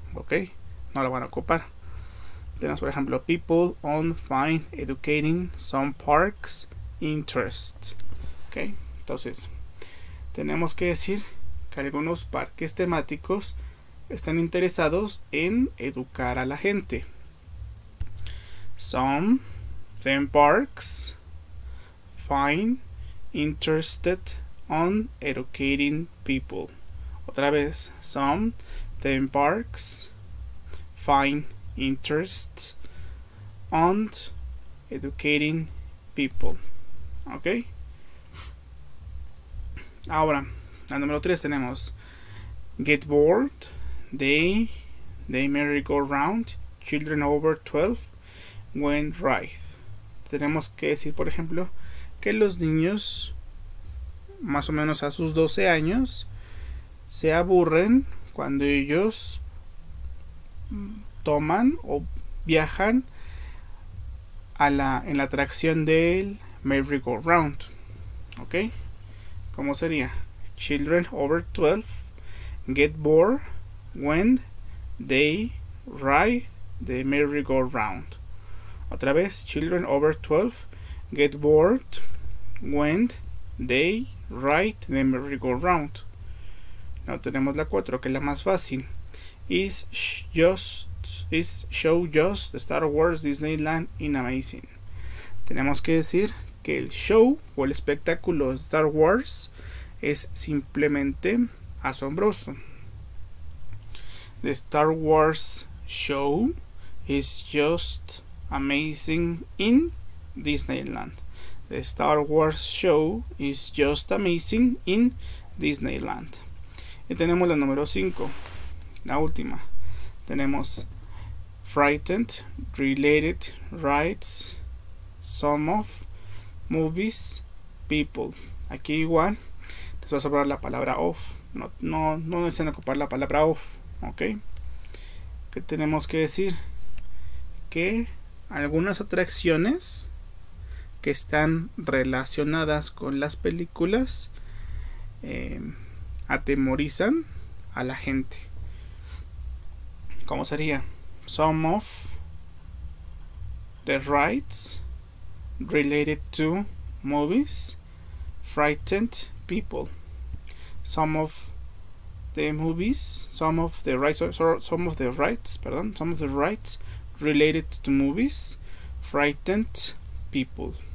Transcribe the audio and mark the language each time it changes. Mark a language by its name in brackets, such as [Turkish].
[Spanish] Ok, no la van a ocupar. Tenemos, por ejemplo: [English] People on fine educating some parks interest. [Spanish] ¿Okay? Entonces, tenemos que decir que algunos parques temáticos están interesados en educar a la gente. [English] Some theme parks find interested on educating people. [Spanish] Otra vez: [English] Some theme parks find interest on educating people. ¿Ok? [Spanish] Ahora, la número 3 tenemos: [English] Get bored, they merry go round, children over 12, when right. [Spanish] Tenemos que decir, por ejemplo, que los niños, más o menos a sus 12 años, se aburren cuando ellos toman o viajan en la atracción del merry-go-round. ¿Ok? ¿Cómo sería? [English] Children over 12 get bored when they ride the merry-go-round. [Spanish] Otra vez: [English] Children over 12 get bored when they ride the merry-go-round. [Spanish] Ahora tenemos la 4, que es la más fácil. [English] Is show just Star Wars Disneyland in amazing. [Spanish] Tenemos que decir que el show o el espectáculo Star Wars es simplemente asombroso. [English] The Star Wars show is just amazing in Disneyland. The Star Wars show is just amazing in Disneyland. [Spanish] Y tenemos la número 5, la última. Tenemos: [English] Frightened related rides some of movies people. [Spanish] Aquí igual les va a sobrar la palabra of. No, no, no necesitan ocupar la palabra of. ¿Ok? ¿Qué tenemos que decir? Que algunas atracciones que están relacionadas con las películas atemorizan a la gente. ¿Cómo sería? [English] Some of the rights related to movies frightened people. Some of the movies, some of the rights, some of the rights, [Spanish] perdón, [English] some of the rights related to movies frightened people.